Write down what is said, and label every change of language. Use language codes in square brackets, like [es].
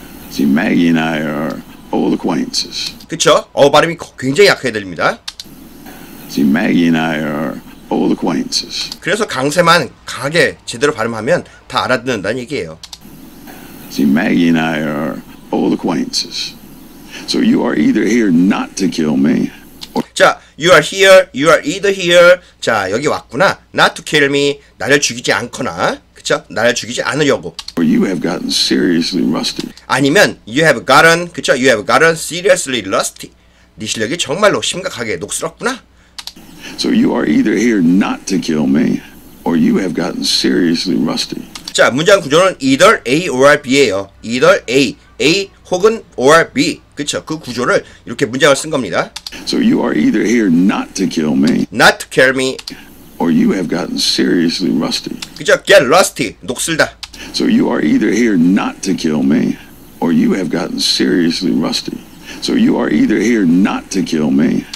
[en] See, Maggie and I are old acquaintances. [ko] 그렇죠? 어 발음이 굉장히 약해집니다. [en] See, Maggie and I are old acquaintances. [ko] 그래서 강세만 강하게 제대로 발음하면 다 알아듣는다는 얘기예요. [en] See, Maggie and I are old acquaintances. So you are either here not to kill me. Or... 자, you are here. You are either here. 자, [ko] 여기 왔구나. [en] Not to kill me. [ko] 나를 죽이지 않거나, 그렇죠? 나를 죽이지 않으려고. [en] Or you have gotten seriously rusty. [ko] 아니면 [en] you have gotten, [ko] 그렇죠? [en] You have gotten seriously rusty. [ko] 네 실력이 정말로 심각하게 녹슬었구나. [en] So you are either here not to kill me, or you have gotten seriously rusty. [ko] 자, 문장 구조는 [en] either A or B [ko] 예요. Either A, A 혹은 or B. 그렇죠? 그 구조를 이렇게 문장을 쓴 겁니다. [en] So you are either here not to kill me, not to kill me, or you have gotten seriously rusty. [ko] 그렇죠? [en] Get rusty, [ko] 녹슬다. [en] So you are either here not to kill me, or you have gotten seriously rusty. So you are either here not to kill me.